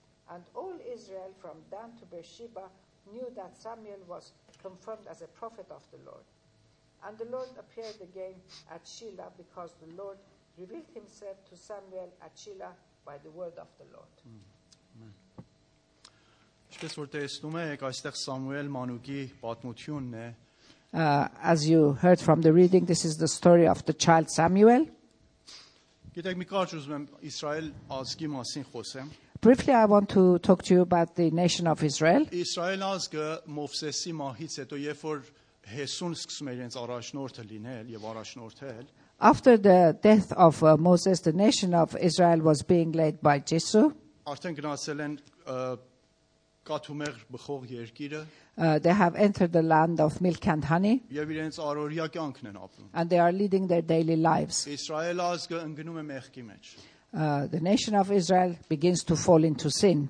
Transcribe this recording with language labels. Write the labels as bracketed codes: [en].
[en] And all Israel from Dan to Beersheba knew that Samuel was confirmed as a prophet of the Lord. And the Lord appeared again at Shiloh, because the Lord revealed himself to Samuel at Shiloh by the word of the Lord. [hy] Ինչպես որ տեսնում եք, այստեղ Սամուել մանուկի պատմությունն է. [en] As you heard from the reading, this is the story of the child Samuel. [hy] Գիտեք, մի քիչ ուզում եմ Իսրայել ազգի մասին խոսեմ. [en] Briefly, I want to talk to you about the nation of Israel. [hy] Իսրայել ազգը Մովսեսի մահից հետո, երբ որ Հեսուն սկսում է իրենց առաջնորդը լինել եւ առաջնորդել, [en] after the death of Moses, the nation of Israel was being led by Jesu. [hy] Արդեն գնացել են կաթումեղ բխող երկիրը. [en] They have entered the land of milk and honey. [hy] Եվ իրենց առօրյա կյանքն են ապրում. [en] And they are leading their daily lives. [hy] Իսրայել ազգը ընկնում է մեղքի մեջ. [en] The nation of Israel begins to fall into sin.